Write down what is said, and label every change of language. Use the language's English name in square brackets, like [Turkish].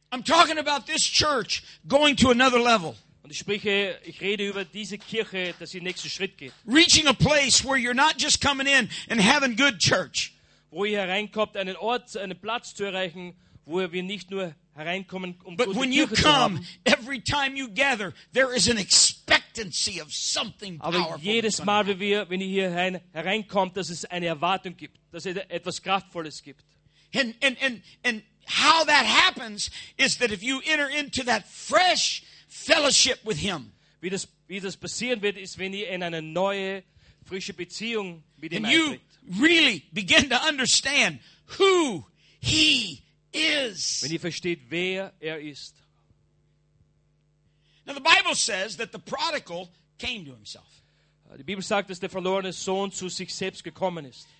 [English] I'm talking about this church going to another level. [German] Und ich rede über diese Kirche, dass sie nächsten Schritt geht. [English] Reaching a place where you're not just coming in and having good church. [German] Wo ihr hereinkommt, einen Ort, einen Platz zu erreichen, wo wir nicht nur hereinkommen, um [English] but [German] gute [English] when [German] Kirche [English] you come, [German] zu haben. [English] Every time you gather, there is an expectancy of something [German] aber [English] powerful. [German] Aber jedes Mal, wenn ihr hier hereinkommt, dass es eine Erwartung gibt, dass es etwas Kraftvolles gibt. [English] And how that happens is that if you enter into that fresh fellowship with him. [German] Wie das passieren wird, ist, wenn ihr in eine neue, frische Beziehung mit ihm eintritt. [English] Really begin to understand who he is. [German] Wenn ihr versteht, wer ist. [English] Now the Bible says that the prodigal came to himself. [German] Die Bibel sagt, dass der verlorene Sohn zu sich selbst gekommen ist.